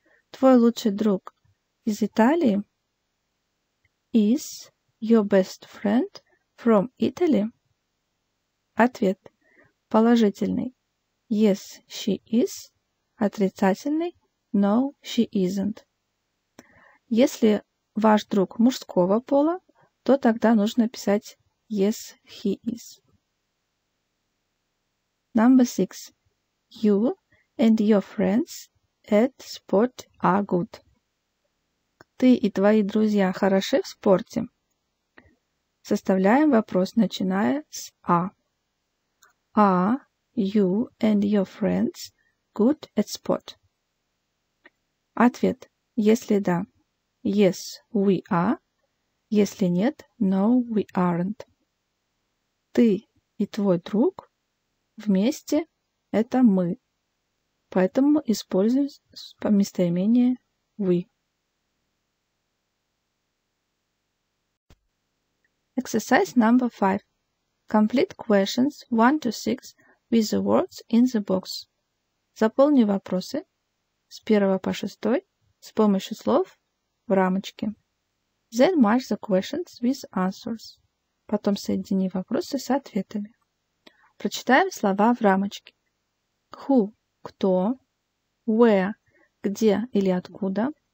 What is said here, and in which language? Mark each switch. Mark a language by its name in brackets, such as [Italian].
[Russian] Твой лучший друг из Италии [English] is your best friend from Italy? [Russian] Ответ. Положительный. [English] Yes, she is. Отрицательный. No, she isn't. [Russian] Если ваш друг мужского пола, то тогда нужно писать [English] yes, he is. Number six. You and your friends at sport are good. [Russian] Ты и твои друзья хороши в спорте? Составляем вопрос, начиная с A. [English] Are you and your friends good at sport? [Russian] Ответ. Если да, [English] yes, we are. [Russian] Если нет, [English] no, we aren't. [Russian] Ты и твой друг вместе – это мы. Поэтому используем местоимение we. [English] Exercise number 5. Complete questions 1 to 6 with the words in the box. [Russian] Заполни вопросы с 1 по 6 с помощью слов в рамочке. [English] Then match the questions with answers. [Russian] Потом соедини вопросы с ответами. Прочитаем слова в рамочке. Who – кто. Where – где или откуда.